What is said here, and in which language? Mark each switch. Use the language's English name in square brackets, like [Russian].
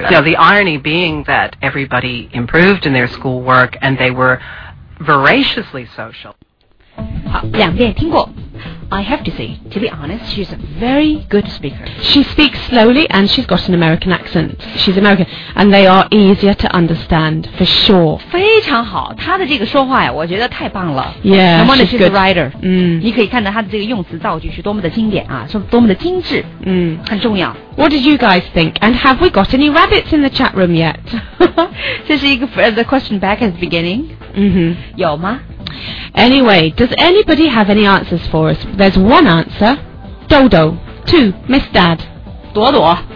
[English] You know, the irony being that everybody improved in their schoolwork and they were voraciously social. [Chinese] 好，两遍听过。 [English] I have to say, to be honest, she's a very good speaker. She speaks slowly and she's got an American accent. She's American and they are easier to understand for sure. [Chinese] 非常好，她的这个说话呀，我觉得太棒了。 [English] Yeah, no wonder she's good. A writer. 嗯， [Chinese] 你可以看到她的这个用词造句是多么的经典啊，是多么的精致。嗯，很重要。 [English] What did you guys think? And have we got any rabbits in the chat room yet? [Chinese] 这是一个 [English] the question back at the beginning. 嗯哼， [Chinese] 有吗？ [English] Anyway, does anybody have any answers for us? There's one answer. Dodo. Two. Miss Dad. Duo Duo.